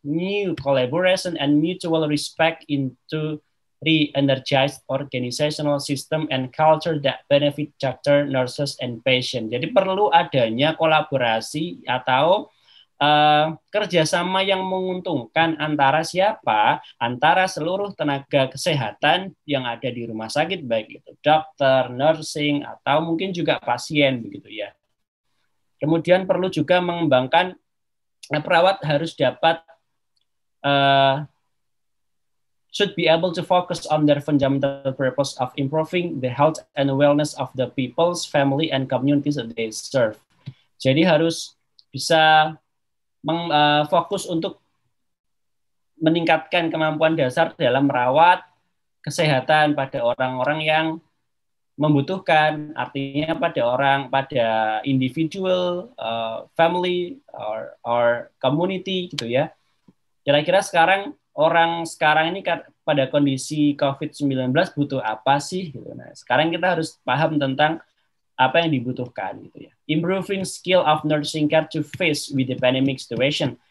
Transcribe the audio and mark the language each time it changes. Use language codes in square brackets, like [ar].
[en] New collaboration and mutual respect into re-energized organizational system and culture that benefit doctor, nurses, and patient. [id] Jadi perlu adanya kolaborasi atau kerjasama yang menguntungkan antara siapa? Antara seluruh tenaga kesehatan yang ada di rumah sakit, baik itu dokter, nursing, atau mungkin juga pasien, begitu ya. Kemudian perlu juga mengembangkan perawat harus dapat [en] should be able to focus on their fundamental purpose of improving the health and wellness of the people's family and communities that they serve. [id] Jadi harus bisa fokus untuk meningkatkan kemampuan dasar dalam merawat kesehatan pada orang-orang yang membutuhkan, artinya pada [en] individual, family, or community [id] gitu ya. Kira-kira sekarang orang sekarang ini pada kondisi COVID-19 butuh apa sih gitu. Nah, sekarang kita harus paham tentang apa yang dibutuhkan gitu ya. [en] Improving skill of nursing care to face with the pandemic situation.